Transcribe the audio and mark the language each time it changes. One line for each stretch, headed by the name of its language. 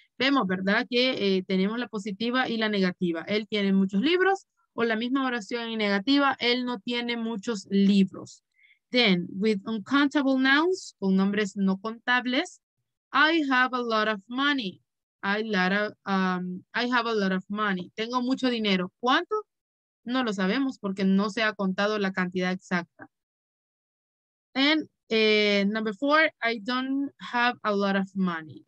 Spanish: Vemos, ¿verdad? Que tenemos la positiva y la negativa. Él tiene muchos libros. O la misma oración en negativa. Él no tiene muchos libros.
English: Then, with uncountable nouns,
Spanish: con nombres no contables,
English: I have a lot of money. I have a lot of money.
Spanish: Tengo mucho dinero. ¿Cuánto? No lo sabemos porque no se ha contado la cantidad exacta.
English: And number four, I don't have a lot of money.